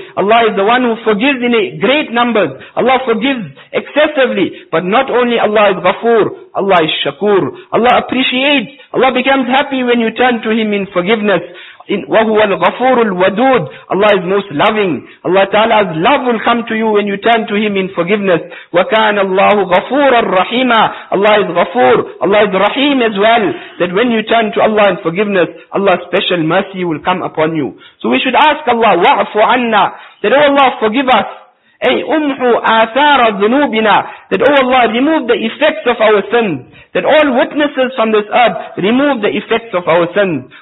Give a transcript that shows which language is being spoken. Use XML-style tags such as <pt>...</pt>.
<en>Allah is the one who forgives in a great numbers. Allah forgives excessively. But not only Allah is ghafoor, Allah is shakoor. Allah appreciates, Allah becomes happy when you turn to Him in forgiveness.</en> <ar>وَهُوَ الْغَفُورُ الْوَدُودُ</ar> <en>Allah is most loving. Allah Ta'ala's love will come to you when you turn to Him in forgiveness.</en> <ar>وَكَانَ اللَّهُ غَفُورًا رَحِيمًا</ar> <en>Allah is</en> <ar>غَفُور.</ar> <en>Allah is Rahim as well. That when you turn to Allah in forgiveness, Allah's special mercy will come upon you. So we should ask Allah,</en> <ar>وَعْفُ عَنَّا</ar> <en>That, oh Allah, forgive us.</en> <ar>أَيْ أُمْحُ آثَارَ ذُنُوبِنَا</ar> <en>That, oh Allah, remove the effects of our sins. That all witnesses from this earth remove the effects of our sins.</en>